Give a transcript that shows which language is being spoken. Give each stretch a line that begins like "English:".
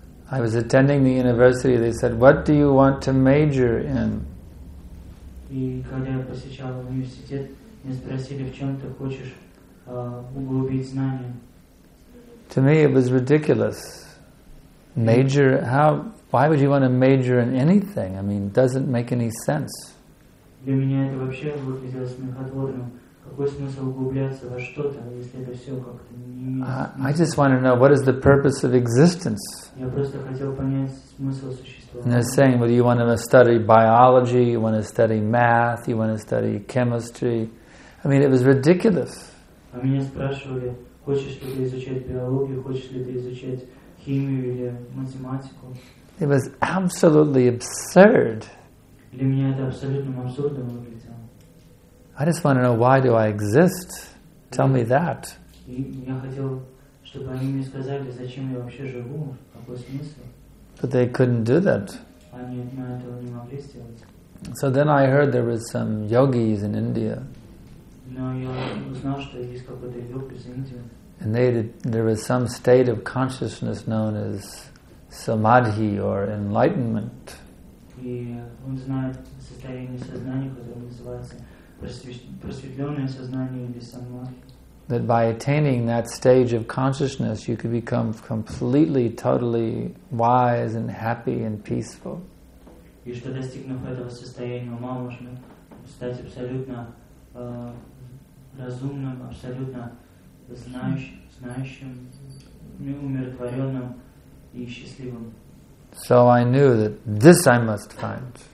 English: I was attending the university. They said, "What do you want to major in?" To me, it was ridiculous. Major? How? Why would you want to major in anything? I mean, it doesn't make any sense.
Russian: Для меня это вообще выглядело смехотворным. Какой смысл углубляться во что-то, если это все как-то не имеет смысла?
English: I just want to know, what is the purpose of existence?
Russian: Я просто хотел понять смысл существования.
English: And they're saying, well, you want to study biology, you want to study math, you want to study chemistry. I mean, it was ridiculous.
Russian: А меня спрашивали, хочешь ли ты изучать биологию, хочешь ли ты изучать химию или математику?
English: It was absolutely absurd.
Russian: Для меня это абсолютно абсурдным выглядело.
English: I just want to know, why do I exist? Tell me that.
Russian: Я хотел, чтобы они мне сказали, зачем я вообще живу, какой смысл.
English: But they couldn't do that.
Russian: Они этого не могли сделать.
English: So then I heard there was some yogis in India.
Russian: Но я узнал, что есть какой-то йоги из Индии.
English: And there was some state of consciousness known as samadhi or enlightenment.
Russian: И он знает состояние сознания, которое называется просветленное сознание или самадхи.
English: That by attaining that stage of consciousness, you could become completely, totally wise and happy and peaceful.
Russian: И что достигнув этого состояния ума, можно стать абсолютно разумным, абсолютно знающим, умиротворенным и счастливым.
English: So I knew that this I must find.